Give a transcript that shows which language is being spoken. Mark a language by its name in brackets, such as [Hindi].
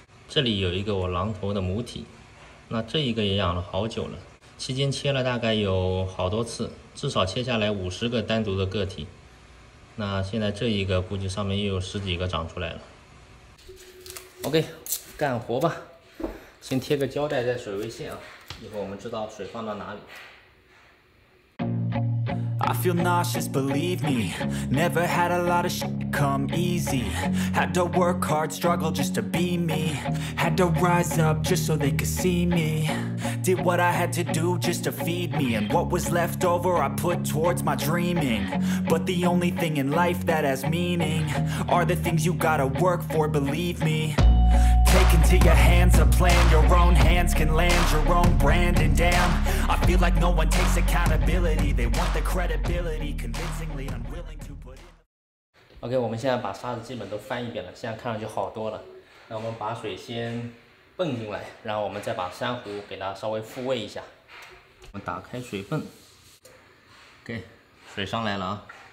[Chinese] 这里有一个我狼头的母体，那这一个也养了好久了，期间切了大概有好多次，至少切下来50个单独的个体。那现在这一个估计上面又有十几个长出来了。OK， 干活吧，先贴个胶带在水位线啊，以后我们知道水放到哪里。 [English] I feel nauseous, believe me. Never had a lot of shit come easy. Had to work hard, struggle just to be me. Had to rise up just so they could see me. Did what I had to do just to feed me. And what was left over I put towards my dreaming. But the only thing in life that has meaning are the things you gotta work for, believe me. Into your hands a plan, your own hands can land your own brand, and damn, I feel like no one takes accountability, they want the credibility, convincingly unwilling to put in. [Chinese] OK， 我们现在把沙子基本都翻一遍了，现在看上去好多了。那我们把水先泵进来，然后我们再把珊瑚给它稍微复位一下。我们打开水泵， OK， 水上来了啊。